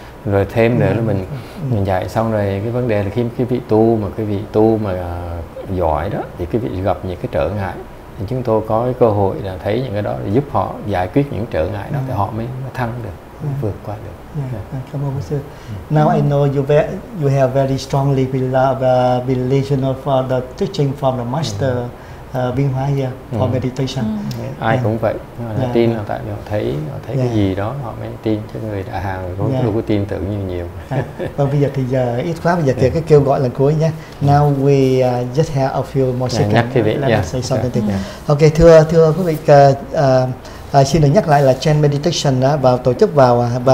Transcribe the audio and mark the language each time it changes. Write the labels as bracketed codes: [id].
[vi] Rồi thêm nữa là mình dạy xong rồi cái vấn đề là khi cái vị tu mà giỏi đó thì cái vị gặp những cái trở ngại thì chúng tôi có cái cơ hội là thấy những cái đó để giúp họ giải quyết những trở ngại đó thì họ mới thăng được, vượt qua được. Cảm ơn sư. [en] Now I know you have very strongly belief for the teaching from the master Biên Hóa here for meditation. [vi] Ai cũng vậy, tin là tại họ thấy cái gì đó họ mới tin, chứ người Đại Hàn cũng đâu có tin tưởng nhiều. Và bây giờ thì giờ ít quá, bây giờ thì cái kêu gọi lần cuối nhé. [en] Now we just have a few more seconds. [vi] Nhắc thì [en] say something. [vi] Okay, thưa quý vị, xin được nhắc lại là Chan Meditation đã vào tổ chức vào